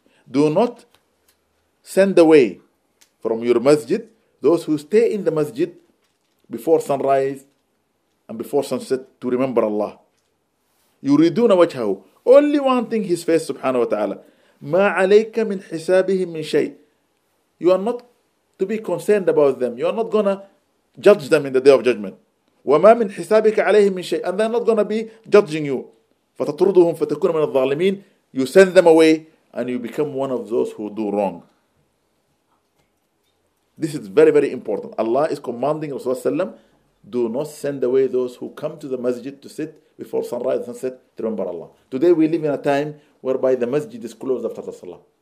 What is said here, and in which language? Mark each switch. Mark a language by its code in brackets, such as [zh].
[en] Do not send away from your masjid those who stay in the masjid before sunrise and before sunset to remember Allah. [ar] يُرِدُونَ وَجْهَهُ. [en] Only one thing his face, subhanahu wa ta'ala. [ar] ما عليك من حسابهم من شيء. [en] You are not to be concerned about them. You are not gonna judge them in the day of judgment. [ar] وما من حسابك عليهم من شيء. [en] And they're not gonna be judging you. [ar] فتطردهم فتكون من الظالمين. [en] You send them away and you become one of those who do wrong. This is very, very important. Allah is commanding Rasulullah sallam, do not send away those who come to the masjid to sit before sunrise and sunset to remember Allah. Today we live in a time whereby the masjid is closed after the salah.